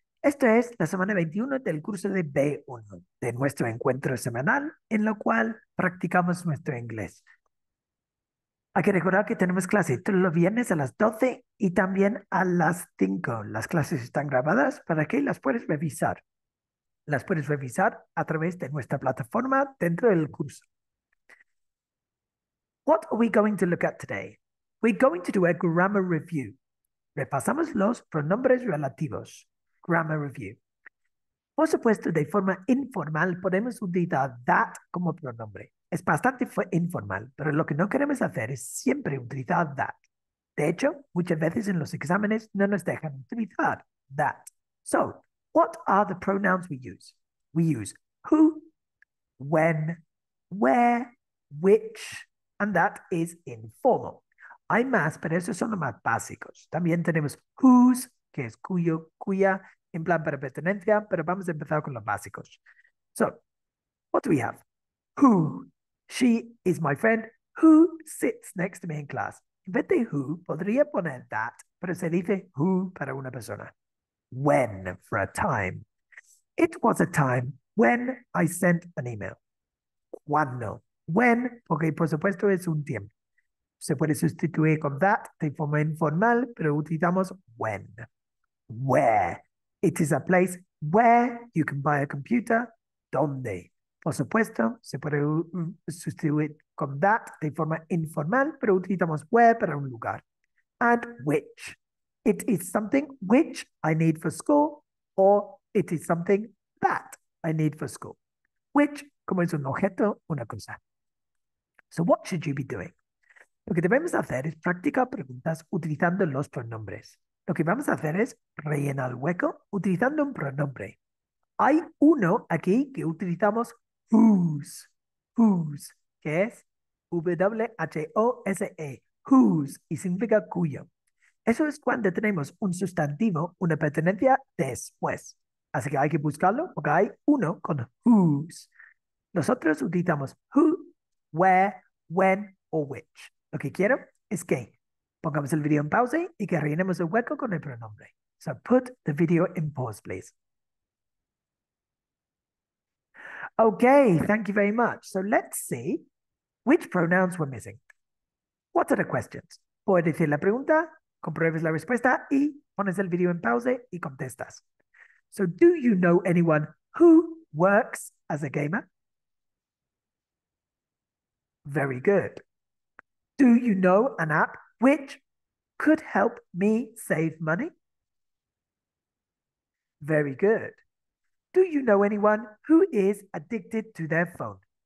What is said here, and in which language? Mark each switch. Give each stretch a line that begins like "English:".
Spanish: Esto es la semana 21 del curso de B1, de nuestro encuentro semanal en lo cual practicamos nuestro inglés. Hay que recordar que tenemos clase todos los viernes a las 12 y también a las 5. Las clases están grabadas para que las puedas revisar. Las puedes revisar a través de nuestra plataforma dentro del curso.
English: What are we going to look at today? We're going to do a grammar review. Repasamos los pronombres relativos. Grammar review.
Spanish: Por supuesto, de forma informal podemos utilizar that como pronombre. Es bastante informal, pero lo que no queremos hacer es siempre utilizar that. De hecho, muchas veces en los exámenes no nos dejan utilizar that.
English: So, what are the pronouns we use? We use who, when, where, which, and that is informal.
Spanish: Hay más, pero esos son los más básicos. También tenemos whose, que es cuyo, cuya, en plan para pertenencia, pero vamos a empezar con los básicos.
English: So, what do we have? Who. She is my friend.
Spanish: Who sits next to me in class? En vez de who, podría poner that, pero se dice who para una persona.
English: When, for a time. It was a time when I sent an email.
Spanish: Cuando. When, porque por supuesto es un tiempo. Se puede sustituir con that de forma informal, pero utilizamos when. Where.
English: It is a place where you can buy a computer. ¿Dónde?
Spanish: Por supuesto, se puede sustituir con that de forma informal, pero utilizamos where para un lugar. And which.
English: It is something which I need for school, or it is something that I need for school.
Spanish: Which, como es un objeto, una cosa. So what should you be doing? Lo que debemos hacer es practicar preguntas utilizando los pronombres. Lo que vamos a hacer es rellenar el hueco utilizando un pronombre. Hay uno aquí que utilizamos whose. Whose, que es W-H-O-S-E. Whose, y significa cuyo. Eso es cuando tenemos un sustantivo, una pertenencia, después. Así que hay que buscarlo porque hay uno con whose. Nosotros utilizamos who, where, when o which. Lo que quiero es que pongamos el video en pausa y que rellenemos el hueco con el pronombre.
English: So put the video in pause, please. Okay, thank you very much. So let's see which pronouns we're missing. What are the questions?
Spanish: Puedes decir la pregunta, compruebes la respuesta y pones el video en pausa y contestas.
English: So do you know anyone who works as a gamer? Very good. Do you know an app which could help me save money? Very good. Do you know anyone who is addicted to their phone?